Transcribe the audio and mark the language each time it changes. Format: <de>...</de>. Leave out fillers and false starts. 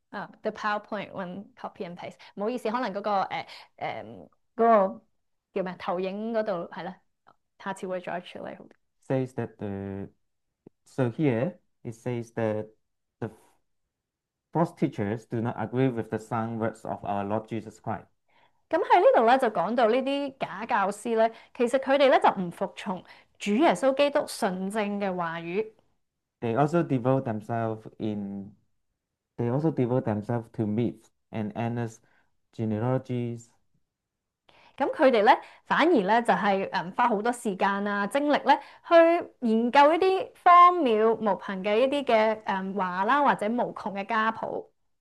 <en>Oh, the PowerPoint when copy and paste.</en> <yue>唔好意思，可能嗰、那个嗰、那个叫咩投影嗰度系啦，下次会再处理。</yue> <en>Says that the so here it says that false teachers do not agree with the sound words of our Lord Jesus Christ.</en> <yue>咁喺呢度咧就讲到呢啲假教师咧，其实佢哋咧就唔服从。主耶稣基督纯正嘅话语，</yue> <en>They also devote themselves in. They also devote themselves to myths and endless genealogies.</en> <yue>咁佢哋咧反而咧就系花好多时间啊精力咧去研究一啲荒谬无凭嘅一啲嘅话啦，或者无穷嘅家谱。</yue>